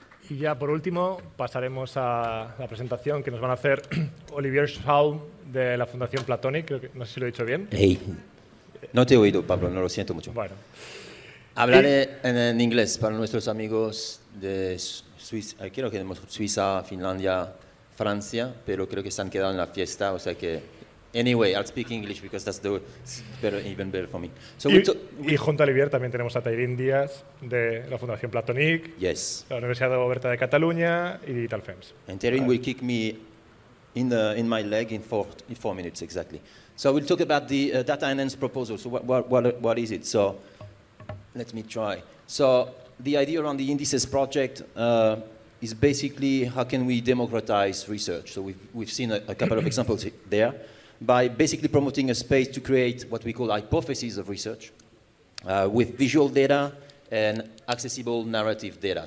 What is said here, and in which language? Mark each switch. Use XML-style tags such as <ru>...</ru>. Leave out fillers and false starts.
<es>Y ya por último, pasaremos a la presentación que nos van a hacer Olivier Schaub de la Fundación Platonic. Creo que, no sé si lo he dicho bien.</es> <en>Hey.</en> <es>No te he oído, Pablo, no lo siento mucho. Bueno. Hablaré en inglés para nuestros amigos de Suiza. Creo que tenemos Suiza, Finlandia, Francia, pero creo que se han quedado en la fiesta, o sea que.</es> <en>Anyway, I'll speak English because that's even better for me.</en> <es>So y junto a Olivier también tenemos a Tairín Díaz de la Fundación Platonic,</es> <en>yes.</en> <es>La Universidad Oberta de Cataluña y Digital FEMS.</es> <en>And Tairín will kick me in my leg in four minutes exactly. So we'll talk about the data enhanced proposal. So what is it? So let me try. So the idea around the Indices project is basically how can we democratize research. So we've seen a couple of examples there. By basically promoting a space to create what we call hypotheses of research with visual data and accessible narrative data.</en>